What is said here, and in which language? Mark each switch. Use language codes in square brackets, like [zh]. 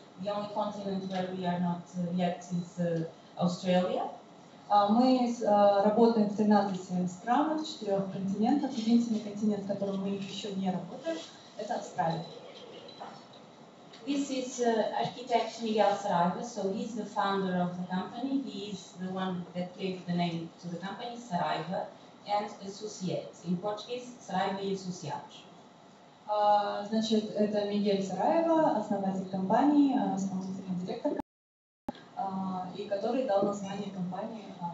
[en] The only continent where we are not yet is Australia. [ru] Мы работаем в 13 странах, 4 континентах. Единственный континент, в котором мы еще не работаем, это Австралия. [en] This is architect Miguel Saraiva, so he's the founder of the company. He is the one that gave the name to the company, Saraiva and Associates. In Portuguese, Saraiva y Associados. [ru] Значит, это Мигель Сараева, основатель компании, основатель директор компании, и который дал название компании.